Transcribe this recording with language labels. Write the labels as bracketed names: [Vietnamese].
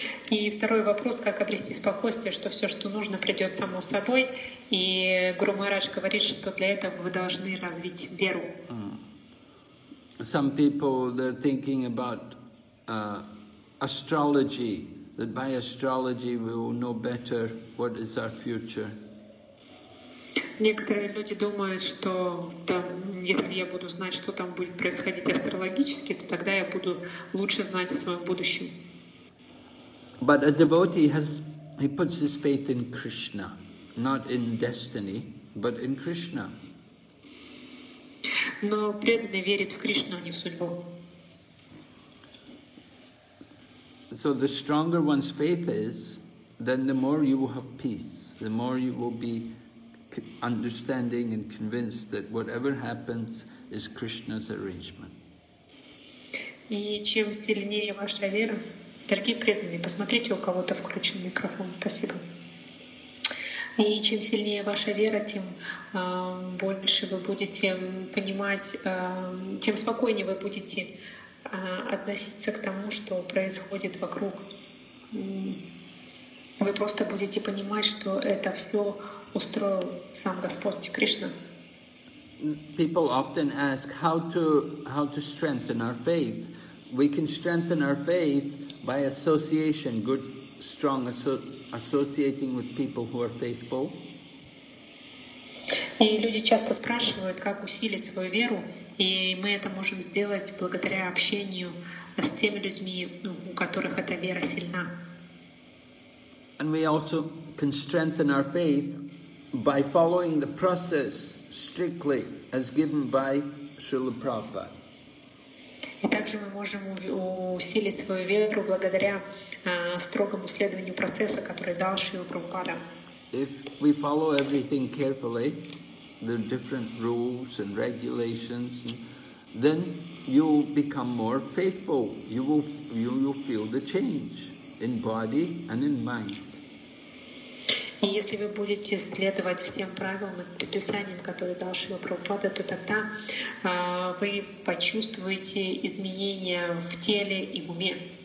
[Russian] И второй вопрос, как обрести спокойствие, что все, что нужно, придет само собой. И Гуру Махарадж говорит, что для этого вы должны развить веру. [English] Some people, they're thinking about astrology, that by astrology we will know better what is our future. [Russian] Некоторые люди думают, что если я буду знать, что там будет происходить астрологически, то тогда я буду лучше знать о своем будущем. [English] But a devotee he puts his faith in Krishna, not in destiny, but in Krishna. [Russian] Но преданный верит в Кришну, а не в судьбу. [English] So the stronger one's faith is, then the more you will have peace, the more you will be understanding and convinced that whatever happens is Krishna's arrangement. [Russian] И чем сильнее ваша вера, дорогие преданные, посмотрите, у кого-то включен микрофон, спасибо. И чем сильнее ваша вера, тем больше вы будете понимать, тем спокойнее вы будете относиться к тому, что происходит вокруг. Вы просто будете понимать, что это все устроил сам Господь Кришна. [English] People often ask how to strengthen our faith. We can strengthen our faith by association, good, strong associating with people who are faithful. [Russian] И люди часто спрашивают, как усилить свою веру, и мы это можем сделать благодаря общению с теми людьми, у которых эта вера сильна. [English] And we also can strengthen our faith by following the process strictly as given by Srila Prabhupada. [Russian] И также мы можем усилить свою веру благодаря строгому следованию процесса, который дал Шрила Прабхупада. [English] If we follow everything carefully, the different rules and regulations, then you will become more faithful. You will feel the change in body and in mind. [Russian] И если вы будете следовать всем правилам и предписаниям, которые дал Шрила Прабхупада, то тогда вы почувствуете изменения в теле и в уме.